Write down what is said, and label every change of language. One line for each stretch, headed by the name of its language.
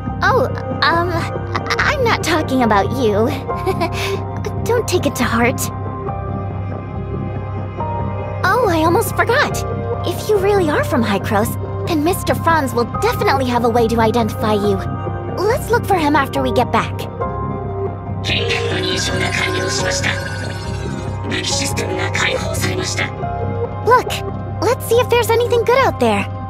English: I'm not talking about you. Don't take it to heart. Oh, I almost forgot! If you really are from Hycros, then Mr. Franz will definitely have a way to identify you. Let's look for him after we get back.
Japanese: 権限の認証が完了しました。武器システムが解放されました。
English: Look! Let's see if there's anything good out there!